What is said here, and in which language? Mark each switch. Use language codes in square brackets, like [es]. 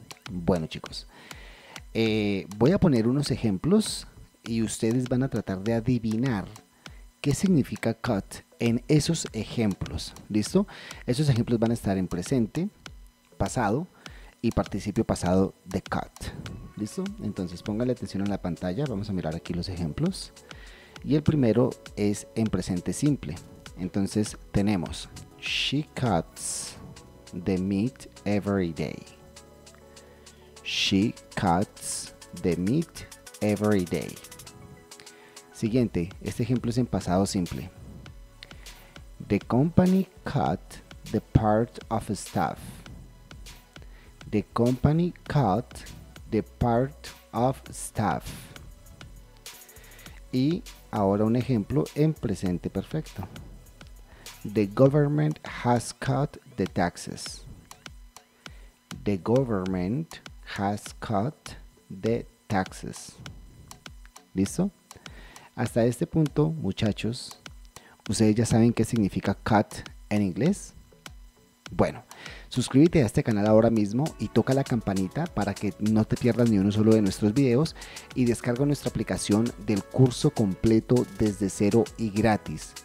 [es] Bueno, chicos, voy a poner unos ejemplos y ustedes van a tratar de adivinar qué significa cut en esos ejemplos. ¿Listo? Esos ejemplos van a estar en presente, pasado y participio pasado de cut. ¿Listo? Entonces, pónganle atención a la pantalla. Vamos a mirar aquí los ejemplos. Y el primero es en presente simple. Entonces, tenemos: [en] She cuts the meat every day. She cuts the meat every day. [es] Siguiente, este ejemplo es en pasado simple. [en] The company cut the part of staff. The company cut the part of staff. [es] Y ahora un ejemplo en presente perfecto. [en] The government has cut the taxes. The government has cut the taxes. [es] ¿Listo? Hasta este punto, muchachos, ¿ustedes ya saben qué significa cut en inglés? Bueno, suscríbete a este canal ahora mismo y toca la campanita para que no te pierdas ni uno solo de nuestros videos y descarga nuestra aplicación del curso completo desde cero y gratis.